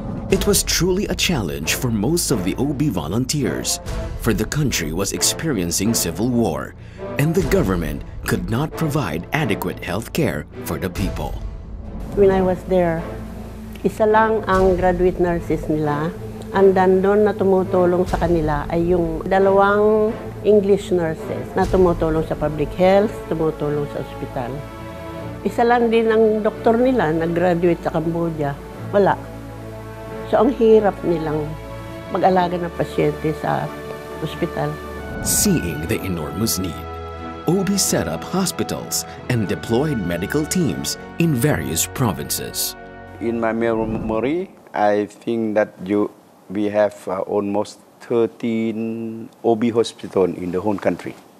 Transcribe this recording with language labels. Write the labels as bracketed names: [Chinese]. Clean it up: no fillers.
[English] It was truly a challenge for most of the OB volunteers, for the country was experiencing civil war, and the government could not provide adequate health care for the people. When I was there, [Filipino] isa lang ang graduate nurses nila. Ang dandon na tumutulong sa kanila ay yung dalawang English nurses na tumutulong sa public health, tumutulong sa ospital. Isa lang din ang doktor nila na graduate sa Cambodia. Wala. So ang hirap nilang mag-alaga ng pasyente sa ospital. [English] Seeing the enormous need, OB set up hospitals and deployed medical teams in various provinces. In my memory, I think that we have almost 13 OB hospitals in the whole country.